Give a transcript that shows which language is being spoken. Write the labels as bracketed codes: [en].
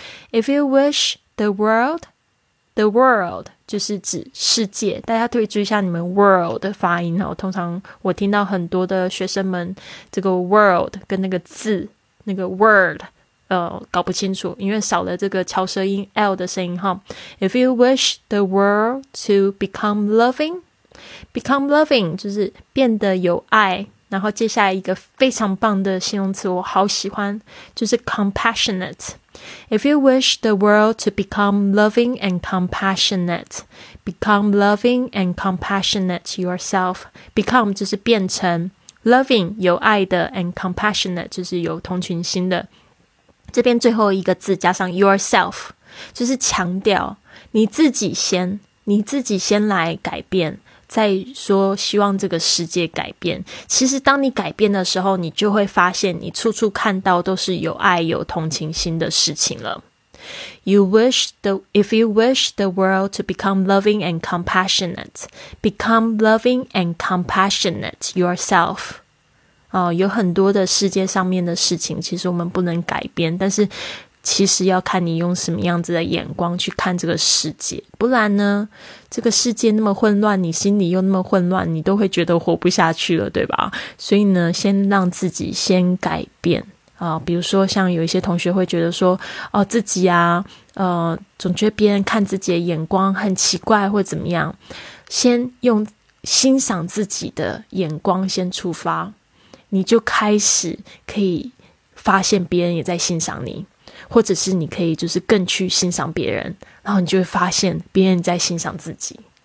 [en] If you wish the world， [zh] the world 就是指世界，大家可以注意一下你们 world 的发音、哦、通常我听到很多的学生们这个 world 跟那个字那个 word搞不清楚，因为少了这个翘舌音 L 的声音哈。 [en] If you wish the world to become loving， [zh] become loving 就是变得有爱，然后接下来一个非常棒的形容词我好喜欢，就是 compassionate。 [en] If you wish the world to become loving and compassionate， become loving and compassionate yourself。 [zh] become 就是变成， loving 有爱的， and compassionate 就是有同情心的。这边最后一个字加上 yourself， 就是强调你自己先，你自己先来改变，再说希望这个世界改变。其实当你改变的时候，你就会发现你处处看到都是有爱有同情心的事情了。 [en] If you wish the world to become loving and compassionate， become loving and compassionate yourself。 [zh] 哦、有很多的世界上面的事情其实我们不能改变，但是其实要看你用什么样子的眼光去看这个世界，不然呢这个世界那么混乱，你心里又那么混乱，你都会觉得活不下去了，对吧？所以呢先让自己先改变、比如说像有一些同学会觉得说哦，自己啊总觉得别人看自己的眼光很奇怪或怎么样，先用欣赏自己的眼光先出发，你就开始可以发现别人也在欣赏你，或者是你可以就是更去欣赏别人，然后你就会发现别人在欣赏自己。